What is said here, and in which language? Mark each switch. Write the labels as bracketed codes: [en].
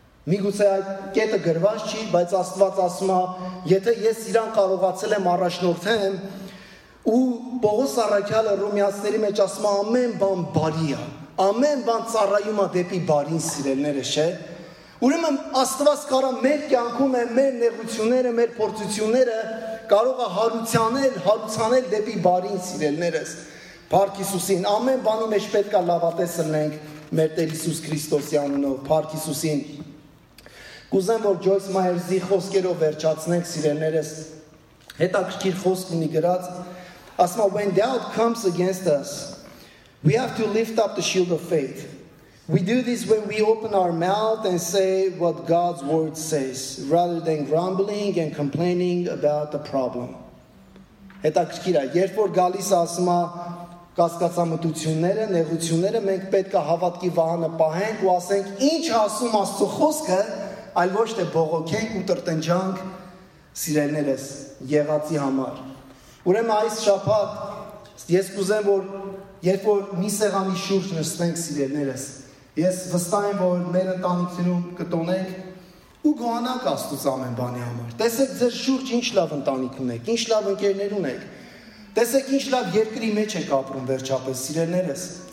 [hy] Միգուցե այդ կետը գրված չի, բայց Աստված ասում է, եթե ես իրան կարողացել եմ առաջնորդեմ, ու Պողոս առաքյալը Ռոմեացիների մեջ ասում է, ամեն բան բարի է, ամեն բան ծառայում է դեպի բարին, սիրելիները, չէ՞։ Ուրեմն Աստված կարա մեր կյանքում է, մեր նեղությունները, մեր փորձությունները կարող է հարուցանել դեպի բարին, սիրելիներս, Փառք Հիսուսին։ Ամեն բանի մեջ պետք է լավատես ունենք մեր Տեր Հիսուս Քրիստոսի անունով, Փառք Հիսուսին։ Կուզեմ, որ Ջոյս Մայերզի խոսքերով վերջացնենք, սիրելիներս, հետաքրքիր խոսք ունի գրած, ասում է, [en] «When doubt comes against us, we have to lift up the shield of faith. We do this when we open our mouth and say what God's word says, rather than grumbling and complaining about the problem». [hy] Հետաքրքիր է, երբ որ գալիս է, ասում է, կասկածամտությունները, նեղությունները, մենք պետք է հավատքի վահանը պահենք ու ասենք, ինչ ասում Աստծո խոսքը, այլ ոչ թե բողոքենք ու տրտընջանք, սիրելիներս, եղածի համար։ Ուրեմն այս շաբաթ ես կուզեմ, որ երբ որ մի սեղանի շուրջ նստենք, սիրելիներս, ես վստահ եմ, որ մեր ընտանիքներում կտոնենք ու գոհանանք Աստծո ամեն բանի համար։ Տեսեք ձեր շուրջ ինչ լավ ընտանիք ունեք, ինչ լավ ընկերներ ունեք, տեսեք ինչ լավ երկրի մեջ եք ապրում վերջապես, սիրելիներս։